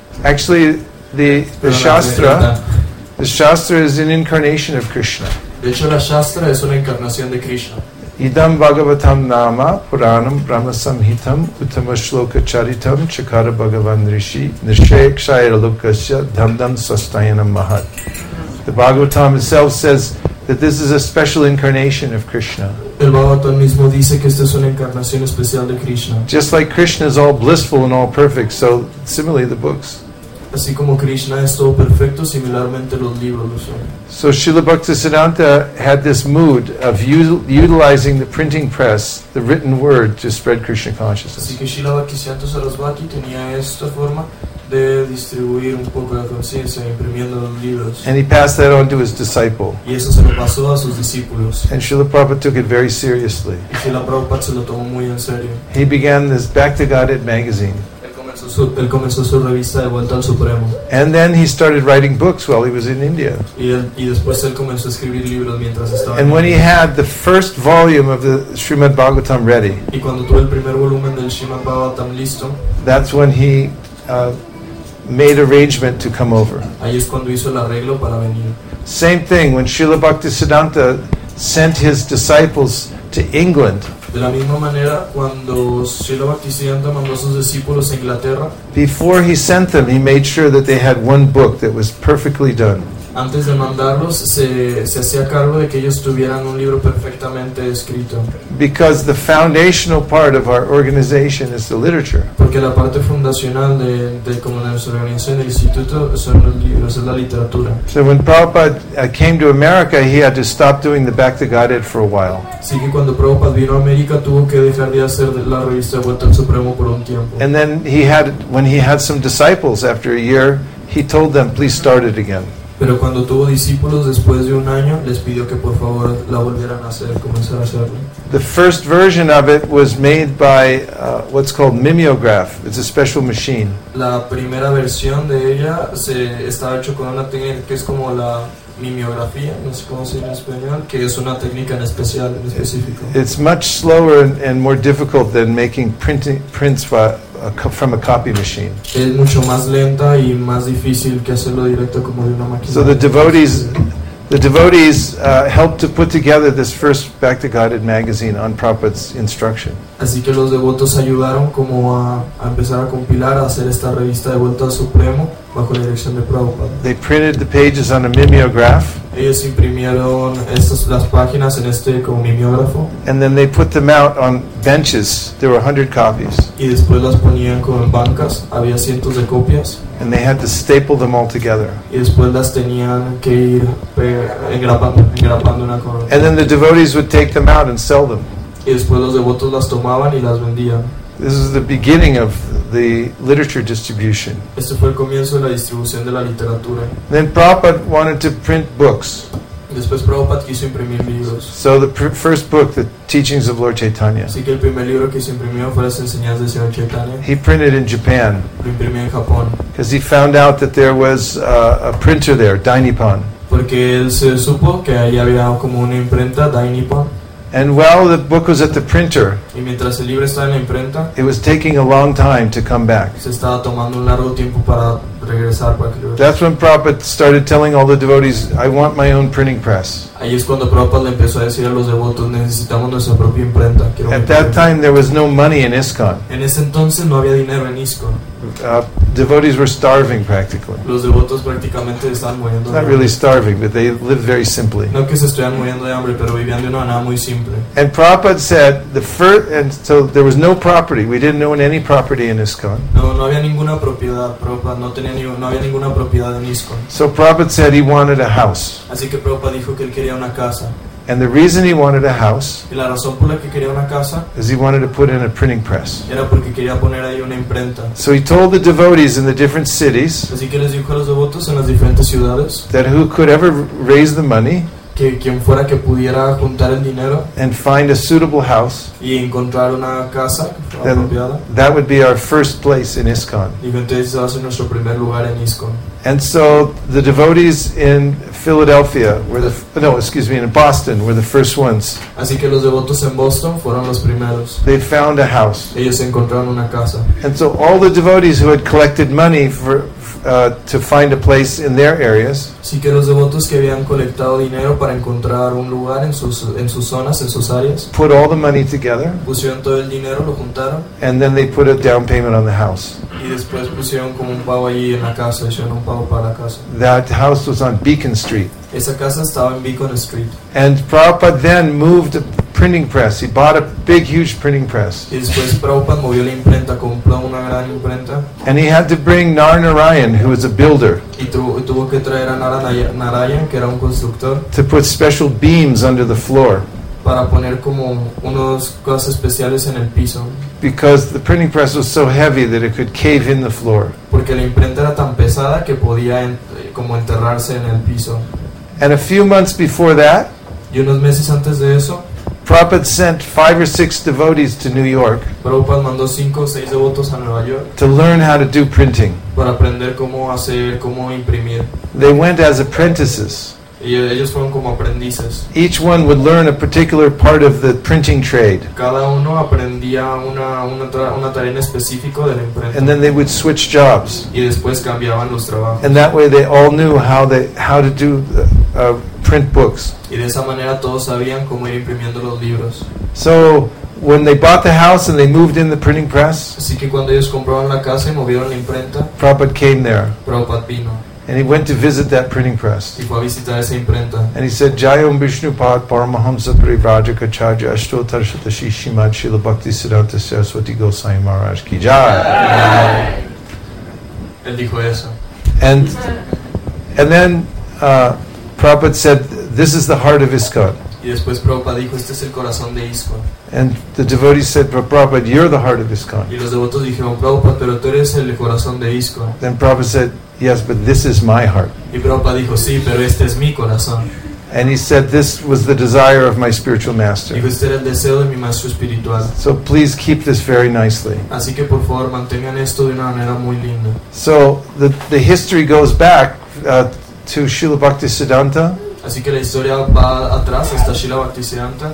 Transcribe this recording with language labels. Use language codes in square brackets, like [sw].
[en] Actually, the Shastra, the Shastra is an incarnation of Krishna. [es] De hecho, la Shastra es una encarnación de Krishna. [sa] Idam Bhagavatam Nama Puranam Brahma Samhitam Uttama Shloka Charitam Chakara Bhagavan Rishi Nishayakshaya Lokasya Dhamdam Sastayanam Mahat. [en] The Bhagavatam itself says that this is a special incarnation of Krishna. [es] El Bhagavatam mismo dice que esta es una encarnación especial de Krishna. [en] Just like Krishna is all blissful and all perfect, so similarly the books. [es] Así como Krishna es todo perfecto, similarmente los libros lo son. [en] So Srila Bhaktisiddhanta had this mood of utilizing the printing press, the written word, to spread Krishna consciousness. [es] Así que Srila Bhaktisiddhanta Sarasvati tenía esta forma de distribuir un poco la conciencia imprimiendo los libros. [en] And he passed that on to his disciple. [es] Y eso se lo pasó a sus discípulos. [en] And Srila Prabhupada took it very seriously. [es] Y Srila Prabhupada se lo tomó muy en serio. [en] He began this Bhakti Godhead magazine. [es] Él comenzó su revista de Vuelta al Supremo. [en] And then he started writing books while he was in India. [es] Y después él comenzó a escribir libros mientras estaba [en] and [es] en India. [en] And when he had the first volume of the Srimad Bhagavatam ready. [es] Y cuando tuvo el primer volumen del Srimad Bhagavatam listo. [en] That's when he made arrangement to come over. [es] Ahí es cuando hizo el arreglo para venir. [en] Same thing when Srila Bhaktisiddhanta sent his disciples to England. [es] De la misma manera, cuando Srila Bhaktisiddhanta mandó a sus discípulos a Inglaterra, [en] before he sent them, he made sure that they had one book that was perfectly done. [es] Antes de mandarlos, se hacía cargo de que ellos tuvieran un libro perfectamente escrito. [en] Because the foundational part of our organization is the literature. [es] Porque la parte fundacional de como nuestra organización del instituto son los libros, es la literatura. [en] So when Prabhupada came to America, he had to stop doing the Bhakti Godhead for a while. [es] Así que cuando Prabhupada vino a América, tuvo que dejar de hacer la revista de Vuelta al Supremo por un tiempo. [en] And then when he had some disciples after a year, he told them, please start it again. [es] Pero cuando tuvo discípulos después de un año, les pidió que por favor la volvieran a hacer, comenzar a hacerlo. [en] The first version of it was made by what's called mimeograph. It's a special machine. [es] La primera versión de ella estaba hecho con una técnica que es como la mimeografía, no sé cómo se dice en español, que es una técnica en especial, en específico. [en] It's much slower and more difficult than making prints from a copy machine. [es] Es mucho más lenta y más difícil que hacerlo directo como de una máquina. [en] So the devotees helped to put together this first Bhakti Godhead magazine on Prabhupada's instruction. [es] Así que los devotos ayudaron como a empezar a compilar, a hacer esta revista de Vuelta al Supremo bajo la dirección de Prabhupada. [en] They printed the pages on a mimeograph. [es] Ellos imprimieron las páginas en este como mimeógrafo. [en] And then they put them out on benches. There were 100 copies. [es] Y después las ponían como en bancas. Había cientos de copias. [en] And they had to staple them all together. [es] Y después las tenían que ir engrapando una con otra. [en] And then the devotees would take them out and sell them. [es] Y después los devotos las tomaban y las vendían. [en] This is the beginning of the literature distribution. [es] Este fue el comienzo de la distribución de la literatura. [en] Then Prabhupada wanted to print books. [es] Después Prabhupada quiso imprimir libros. [en] So the first book, The Teachings of Lord Chaitanya. [es] Así que el primer libro que se imprimió fue las enseñanzas de Señor Chaitanya. [en] He printed in Japan. [es] Lo imprimió en Japón. [en] Because he found out that there was a printer there, Dainippon. [es] Porque él se supo que ahí había como una imprenta, Dainippon. [en] And while the book was at the printer, [es] y mientras el libro estaba en la imprenta, [en] it was taking a long time to come back. [es] Se estaba tomando un largo tiempo para regresar para que lo... [en] That's when Prabhupada started telling all the devotees, I want my own printing press. [es] Ahí es cuando Prabhupada le empezó a decir a los devotos, necesitamos nuestra propia imprenta. Quiero [en] at that time, there was no money in ISKCON. [es] En ese entonces no había dinero en ISKCON. [en] Devotees were starving practically. [es] Los devotos prácticamente estaban muriendo. [en] Not really starving, but they lived very simply. [es] No que se estuvieran muriendo de hambre, pero vivían de una manera muy simple. [en] And Prabhupada said the first, and so there was no property. We didn't own any property in ISKCON. [es] No había ninguna propiedad. Prabhupada no había ninguna propiedad en ISKCON. [en] So Prabhupada said he wanted a house. [es] Así que Prabhupada dijo que él quería una casa. [en] And the reason he wanted a house, [es] y la razón por la que quería una casa, [en] is he wanted to put in a printing press. [es] Era porque quería poner ahí una imprenta. [en] So he told the devotees in the different cities, [es] así que les dijo a los devotos en las diferentes ciudades, [en] that who could ever raise the money, [es] que quien fuera que pudiera juntar el dinero [en] and find a suitable house, [es] y encontrar una casa apropiada, [en] that would be our first place in ISKCON. [es] Y entonces va a ser nuestro primer lugar en ISKCON. [en] And so the devotees in Philadelphia were the in Boston were the first ones. [es] Así que los devotos en Boston fueron los primeros. [en] They found a house. [es] Ellos encontraron una casa. [en] And so all the devotees who had collected money for to find a place in their areas. [es] Así que los devotos que habían colectado dinero para encontrar un lugar en sus zonas, en sus áreas. [en] Put all the money together. [es] Pusieron todo el dinero, lo juntaron. [en] And then they put a down payment on the house. [es] Y después pusieron como un pago allí en la casa, hicieron un pago para la casa. [en] That house was on Beacon Street. [es] Esa casa estaba en Beacon Street. [en] And Prabhupada then moved a printing press. He bought a big, huge printing press. [es] Y después Prabhupada movió la imprenta, compró una gran imprenta. [en] And he had to bring Nar Narayan, who was a builder. [es] Y tuvo que traer a Narayan, que era un constructor. [en] To put special beams under the floor. [es] Para poner como unos cosas especiales en el piso. [en] Because the printing press was so heavy that it could cave in the floor. [es] Porque la imprenta era tan pesada que podía como enterrarse en el piso. [en] And a few months before that, [es] y unos meses antes de eso, [en] Prabhupada sent 5 or 6 devotees to New York, [es] Prabhupada mandó 5 o 6 devotos a Nueva York [en] to learn how to do printing. [es] Para aprender cómo imprimir. [en] They went as apprentices. [es] Ellos fueron como aprendices. [en] Each one would learn a particular part of the printing trade. [es] Cada uno aprendía una tarea específica de la imprenta. [en] And then they would switch jobs. [es] Y después cambiaban los trabajos. [en] And that way they all knew how to do print books. [es] Y de esa manera todos sabían cómo ir imprimiendo los libros. [en] So when they bought the house and they moved in the printing press, [es] así que cuando ellos compraron la casa y movieron la imprenta, [en] Prabhupada came there. [es] Prabhupada vino. [en] And he went to visit that printing press. [es] Y fue a visitar esa imprenta. [en] And he said, [sa] Jai Om Vishnu Pad Paramahamsa Parivrajaka Charya Ashtotar Shatashi Shimad Srila Bhakti Siddhanta Saraswati Gosai Maharaj Ki Jai. [es] Él dijo eso. [en] And then Prabhupada said, this is the heart of ISKCON. [es] Y después Prabhupada dijo, este es el corazón de ISKCON. [en] And the devotees said, Prabhupada, you're the heart of ISKCON. [es] Y los devotos dijeron, Prabhupada, pero tú eres el corazón de ISKCON. [en] Then Prabhupada said, yes, but this is my heart. [es] Y Prabhupada dijo, sí, pero este es mi corazón. [en] And he said, this was the desire of my spiritual master. [es] Y este era el deseo de mi maestro espiritual. [en] So please keep this very nicely. [es] Así que por favor, mantengan esto de una manera muy linda. [en] So the history goes back to Srila Bhaktisiddhanta. [es] Así que la historia va atrás hasta Srila Bhaktisiddhanta.